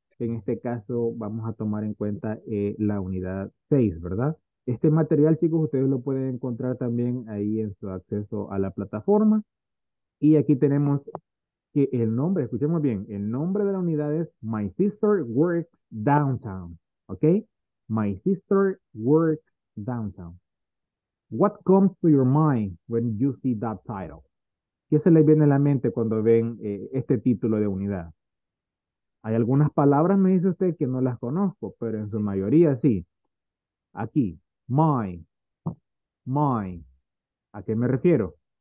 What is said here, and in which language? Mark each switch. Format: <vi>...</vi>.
<es>En este caso, vamos a tomar en cuenta la unidad 6, ¿verdad? Este material, chicos, ustedes lo pueden encontrar también ahí en su acceso a la plataforma. Y aquí tenemos que el nombre, escuchemos bien, el nombre de la unidad es</es> <en>My Sister Works Downtown. ¿Ok? My Sister Works Downtown. What comes to your mind when you see that title?</en> <es>¿Qué se les viene a la mente cuando ven este título de unidad? Hay algunas palabras, me dice usted, que no las conozco, pero en su mayoría sí. Aquí, my, my. ¿A qué me refiero?</es>